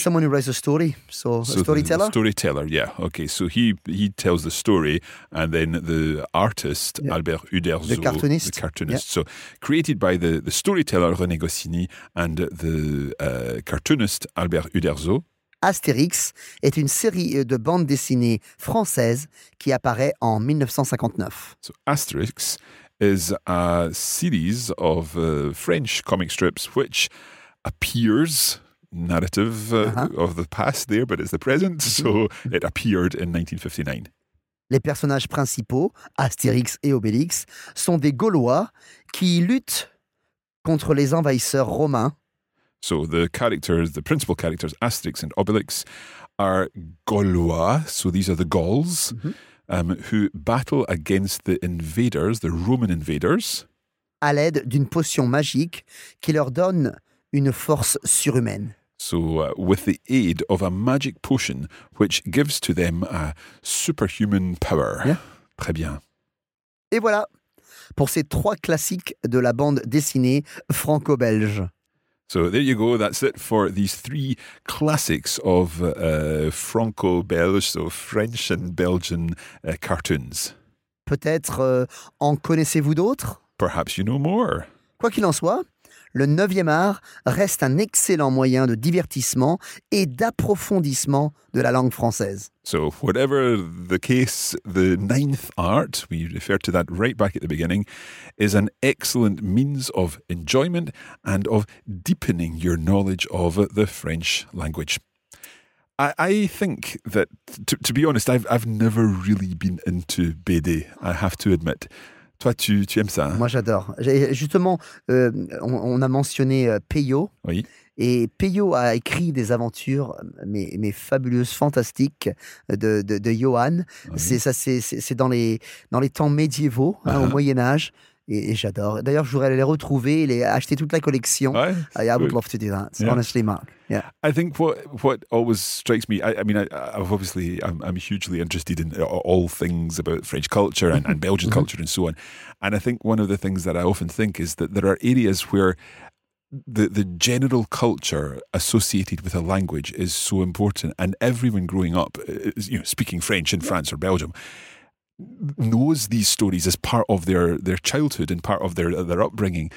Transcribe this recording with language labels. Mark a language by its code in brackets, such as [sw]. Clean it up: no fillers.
[en] Someone who writes a story. So a storyteller? Storyteller, yeah. Okay, so he tells the story and then the artist, Albert Uderzo. The cartoonist. Yeah. So created by the storyteller René Goscinny and the cartoonist Albert Uderzo. [fr] Astérix est une série de bandes dessinées françaises qui apparaît en 1959. [en] So Astérix is a series of French comic strips which appears narrative of the past there, but it's the present, so it appeared in 1959. [fr] Les personnages principaux, Astérix et Obélix, sont des Gaulois qui luttent contre les envahisseurs romains. [en] So the characters, the principal characters, Astérix and Obélix, are Gaulois, so these are the Gauls, who battle against the invaders, the Roman invaders. [fr] À l'aide d'une potion magique qui leur donne une force surhumaine. [en] So with the aid of a magic potion which gives to them a superhuman power. Yeah. [fr] Très bien. Et voilà pour ces trois classiques de la bande dessinée franco-belge. [en] So there you go, that's it for these three classics of Franco-Belge, so French and Belgian cartoons. [fr] Peut-être en connaissez-vous d'autres? [en] Perhaps you know more. [fr] Quoi qu'il en soit, le 9e art reste un excellent moyen de divertissement et d'approfondissement de la langue française. [en] So whatever the case, the 9th art, we refer to that right back at the beginning, is an excellent means of enjoyment and of deepening your knowledge of the French language. I think that, to be honest, I've never really been into BD, I have to admit. [fr] Toi, tu aimes ça, hein? Moi, j'adore. Justement, on a mentionné Peyo. Oui. Et Peyo a écrit des aventures, mais fabuleuses, fantastiques, de Johan. Oui. C'est dans les temps médiévaux, au Moyen-Âge. et j'adore. D'ailleurs, je voudrais les retrouver, les acheter toute la collection. Ouais, [en] I would love to do that. Yeah. Honestly, Mark. Yeah. I think what always strikes me. I'm hugely interested in all things about French culture and Belgian culture and so on. And I think one of the things that I often think is that there are areas where the general culture associated with a language is so important, and everyone growing up, you know, speaking French in France or Belgium, knows these stories as part of their childhood and part of their upbringing.